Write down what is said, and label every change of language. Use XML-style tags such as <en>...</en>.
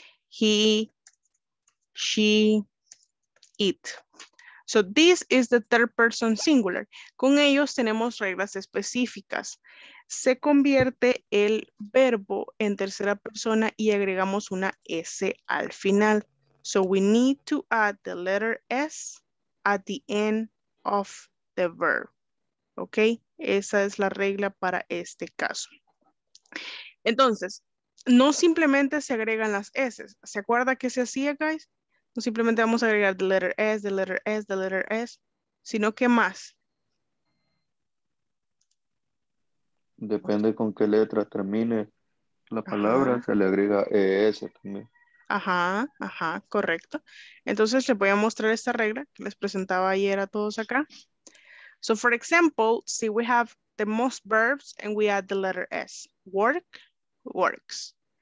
<en>He, she, it. So this is the third person singular.</en> <es>Con ellos tenemos reglas específicas. Se convierte el verbo en tercera persona y agregamos una S al final.</es> <en>So we need to add the letter S at the end of the verb.</en> <es>Ok, esa es la regla para este caso. Entonces, no simplemente se agregan las S. ¿Se acuerda que se hacía, guys? No simplemente vamos a agregar</es> <en>the letter S, the letter S, the letter S,</en> <es>sino que más. Depende con qué letra termine la palabra, ajá, se le agrega ES también. Ajá, ajá, correcto. Entonces les voy a mostrar esta regla que les presentaba ayer a todos acá.</es> <en>So for example, see we have the most verbs and we add the letter S. Work, works.</en>